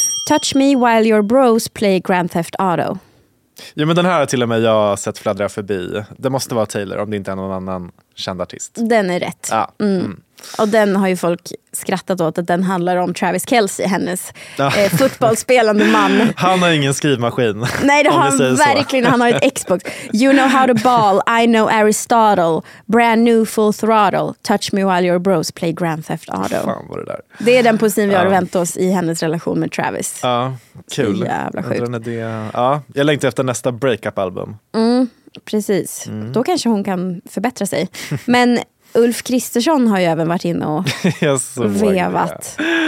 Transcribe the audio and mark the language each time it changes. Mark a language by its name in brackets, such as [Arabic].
[English] Touch me while your bros play Grand Theft Auto. [Swedish] Ja, men den här har till och med jag sett fladdra förbi. Det måste vara Taylor om det inte är någon annan känd artist. Den är rätt. Ja. Och den har ju folk skrattat åt att den handlar om Travis Kelce, hennes fotbollsspelande man. Han har ingen skrivmaskin. Nej, det har han verkligen. Han har ett Xbox. [English] You know how to ball, I know Aristotle. Brand new full throttle. Touch me while your bros play Grand Theft Auto. [Swedish] Fan vad det där. Det är den poesin vi har väntat oss i hennes relation med Travis. Ja, kul. Så jävla sjukt. Jag längtar efter nästa breakup-album. Precis. Då kanske hon kan förbättra sig. Men Ulf Kristersson har ju även varit inne och vevat.